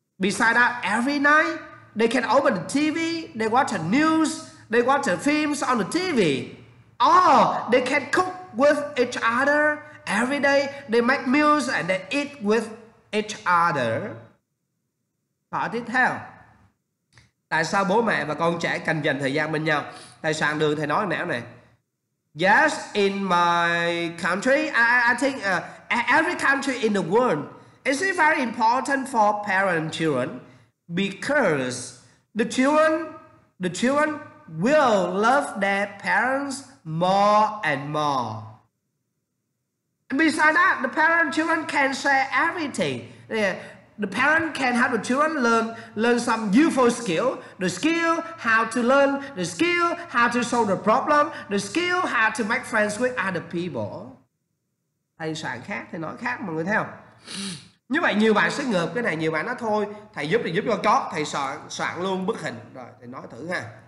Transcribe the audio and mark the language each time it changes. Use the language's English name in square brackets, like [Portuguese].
[English] Beside that, every night, they can open the TV, they watch the news, they watch the films on the TV. Or they can cook with each other every day. They make meals and they eat with each other. [Vietnamese] Câu tiếp theo. Tại sao bố mẹ và con trẻ cần dành thời gian bên nhau? Tại sao đường thầy nói nẻo này? [English] Yes, in my country, I think every country in the world, it's very important for parents and children because the children will love their parents more and more. And besides that, the parents and children can share everything. The parent can have the children learn some useful skill, the skill how to learn, the skill how to solve the problem, the skill how to make friends with other people. [Vietnamese] Thầy soạn khác, thầy nói khác, mọi người theo. Như vậy nhiều bạn sẽ ngợp cái này, nhiều bạn nói thôi, thầy giúp thì giúp cho có, thầy soạn luôn bức hình. Rồi, thầy nói thử ha.